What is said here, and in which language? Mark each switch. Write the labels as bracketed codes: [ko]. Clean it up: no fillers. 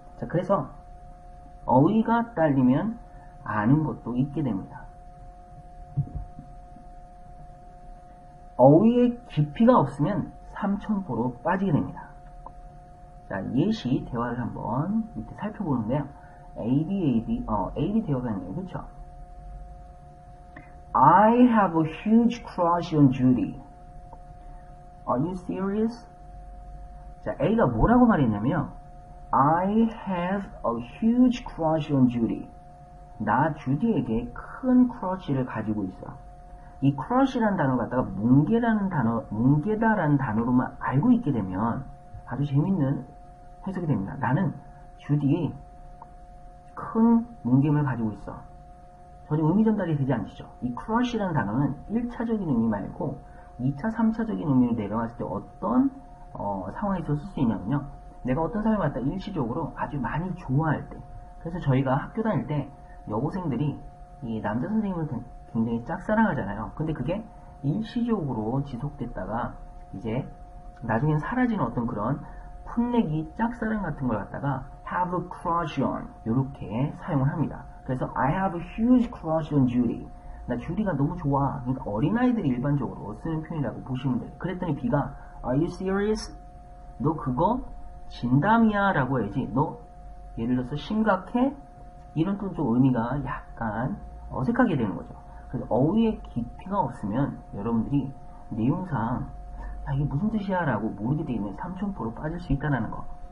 [ko] 자, 그래서 어휘가 딸리면 아는 것도 있게 됩니다. 어휘의 깊이가 없으면 삼천포로 빠지게 됩니다. 자, 예시 대화를 한번 밑에 살펴보는데요. AB 대화가 있네요. 그렇죠? [en] I have a huge crush on Judy. Are you serious? [ko] 자, A가 뭐라고 말했냐면요. [en] I have a huge crush on Judy. [ko] 나 주디에게 큰 크러쉬를 가지고 있어. 이 크러쉬라는 단어 갖다가 뭉개다라는 단어로만 알고 있게 되면 아주 재밌는 해석이 됩니다. 나는 주디에 큰 뭉개를 가지고 있어. 전혀 의미 전달이 되지 않죠. 이 크러쉬라는 단어는 1차적인 의미 말고 2차, 3차적인 의미를 내려왔을 때 어떤 상황에서 쓸수 있냐면요. 내가 어떤 사람을 갖다 일시적으로 아주 많이 좋아할 때. 그래서 저희가 학교 다닐 때 여고생들이 이 남자 선생님을 굉장히 짝사랑하잖아요. 근데 그게 일시적으로 지속됐다가 이제 나중엔 사라지는 어떤 그런 풋내기 짝사랑 같은 걸 갖다가 [en] have a crush on [ko] 이렇게 사용을 합니다. 그래서 [en] I have a huge crush on Judy. [ko] 나 Judy가 너무 좋아. 그러니까 어린아이들이 일반적으로 쓰는 표현이라고 보시면 돼요. 그랬더니 B가 [en] Are you serious? [ko] 너 그거 진담이야 라고 해야지. 너 예를 들어서 심각해? 이런 또 의미가 약간 어색하게 되는 거죠. 그래서 어휘의 깊이가 없으면 여러분들이 내용상 야, 이게 무슨 뜻이야 라고 모르게 되면 삼천포로 빠질 수 있다는 거.